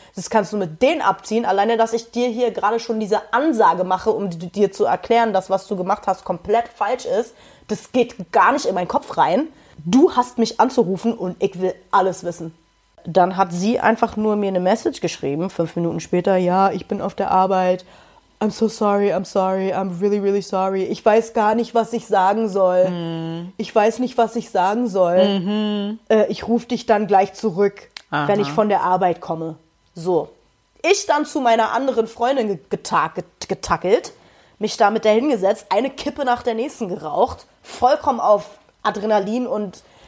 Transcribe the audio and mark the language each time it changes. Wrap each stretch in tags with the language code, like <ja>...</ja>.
<de>Das kannst du mit denen abziehen. Alleine, dass ich dir hier gerade schon diese Ansage mache, um dir zu erklären, dass was du gemacht hast, komplett falsch ist, das geht gar nicht in meinen Kopf rein. Du hast mich anzurufen und ich will alles wissen. Dann hat sie einfach nur mir eine Message geschrieben, 5 Minuten später, ja, ich bin auf der Arbeit.</de> <en>I'm so sorry, I'm sorry, I'm really, really sorry.</en> <de>Ich weiß gar nicht, was ich sagen soll. Mm. Ich weiß nicht, was ich sagen soll. Mm-hmm. Ich rufe dich dann gleich zurück, aha, wenn ich von der Arbeit komme. So. Ich dann zu meiner anderen Freundin getackelt, mich da mit dahingesetzt, eine Kippe nach der nächsten geraucht, vollkommen auf Adrenalin und</de>